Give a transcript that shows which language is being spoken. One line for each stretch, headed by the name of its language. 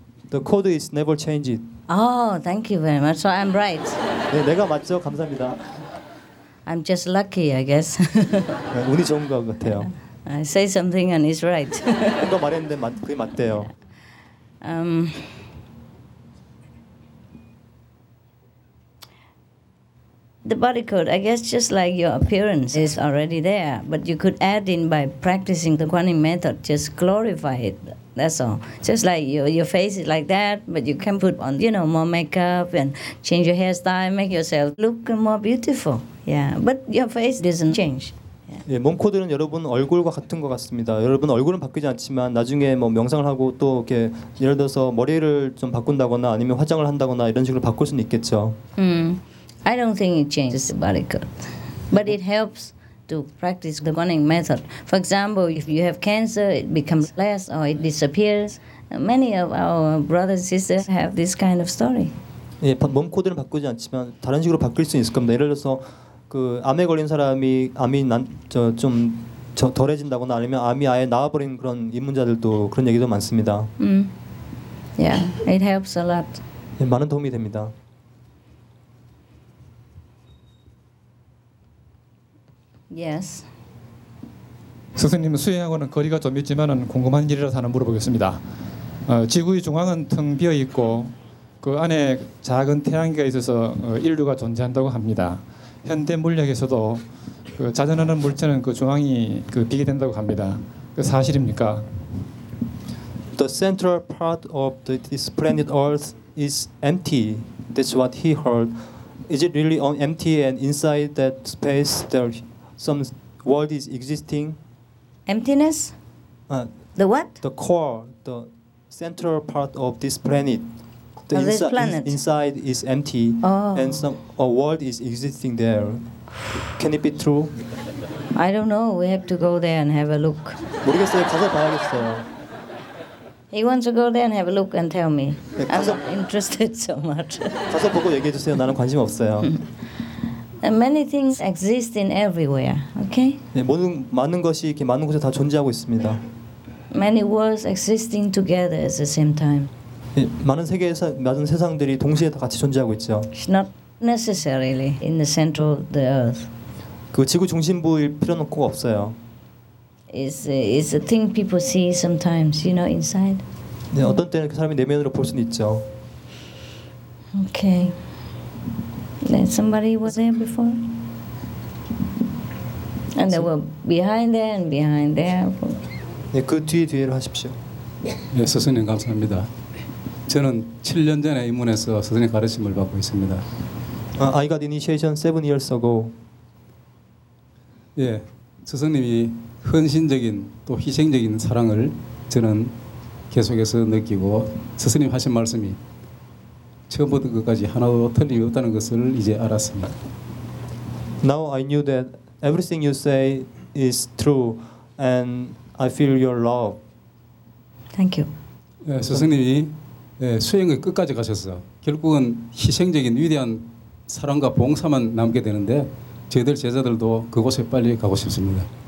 English: The code is never changed. Oh, thank you very much. So I'm right.
Korean: 네, 내가 맞죠. 감사합니다.
English: I'm just lucky, I guess.
Korean: 네, 운이 좋은 것 같아요.
English: I say something and it's right.
Korean: 누가 말했는데 그게 맞대요.
English: The body code, I guess, just like your appearance is already there, but you could add in by practicing the Kuan Yin method, just glorify it. That's all. Just like your face is like that, but you can put on, you know, more makeup and change your hairstyle, make yourself look more beautiful. Yeah, but your face doesn't change.
Korean: 예, 몸 코드는 여러분 얼굴과 같은 것 같습니다. 여러분 얼굴은 바뀌지 않지만 나중에 뭐 명상을 하고 또 이렇게 예를 들어서 머리를 좀 바꾼다거나 아니면 화장을 한다거나 이런 식으로 바꿀 수는 있겠죠.
English: I don't think it changes the body code, but it helps to practice the Kuan Yin method. For example, if you have cancer, it becomes less or it disappears. Many of our brothers and sisters have this kind of story.
Korean: 예, 몸 코드는 바꾸지 않지만 다른 식으로 바뀔 수 있을 겁니다. 예를 들어서 그 암에 걸린 사람이 암이 좀 덜해진다거나 아니면 암이 아예 나와버린 그런 입문자들도 그런 얘기도 많습니다.
English: Yeah, it helps a lot.
Korean: 예, 많은 도움이 됩니다.
English: Yes.
Korean: 선생님 수행하고는 거리가 좀 있지만은 궁금한 일이라서 하나 물어보겠습니다. 지구의 중앙은 텅 비어 있고 그 안에 작은 태양계가 있어서 인류가 존재한다고 합니다. 현대 물리학에서도 그 자전하는 물체는 그 중앙이 그 비게 된다고 합니다. 그 사실입니까?
English: The central part of this planet Earth is empty. That's what he heard. Is it really empty and inside that space there some world is existing? Emptiness? The what? The core, the central part of this planet. Inside is empty. Oh. And some a world is existing there. Can it be true? I don't know. We have to go there and have a look.
Korean: 모르겠어요. 가서 봐야겠어요.
English: He wants to go there and have a look and tell me.
Korean: 네, 가서,
English: I'm not interested so much.
Korean: 가서 보고 얘기해 주세요. 나는 관심 없어요.
English: And many things exist in everywhere, okay?
Korean: 네, 모든 많은 것이 이렇게 많은 곳에 다 존재하고 있습니다.
English: Many worlds existing together at the same time.
Korean: 네, 많은 세계에서 많은 세상들이 동시에 다 같이 존재하고 있죠.
English: It's not necessarily in the center of the earth.
Korean: 그 지구 중심부일 필요는 꼭 없어요.
English: It's a thing people see sometimes, you know, inside.
Korean: 네, 어떤 때는 그 사람이 내면으로 볼 수는 있죠.
English: Okay. Somebody was there before, and they were behind there and behind there.
Korean: 네, 그 뒤 뒤로 하십시오. 네, 선생님 감사합니다. 저는 7년 전에 입문해서 선생님 가르침을 받고 있습니다.
English: I got initiation 7 years ago.
Korean: 예, 선생님이 헌신적인 또 희생적인 사랑을 저는 계속해서 느끼고 선생님 하신 말씀이 처음부터 끝까지 하나도 틀림이 없다는 것을 이제 알았습니다.
English: Now I knew that everything you say is true and I feel your love. Thank you.
Korean: 예, 선생님이 예, 수행의 끝까지 가셔서 결국은 희생적인 위대한 사랑과 봉사만 남게 되는데 저희들 제자들도 그곳에 빨리 가고 싶습니다.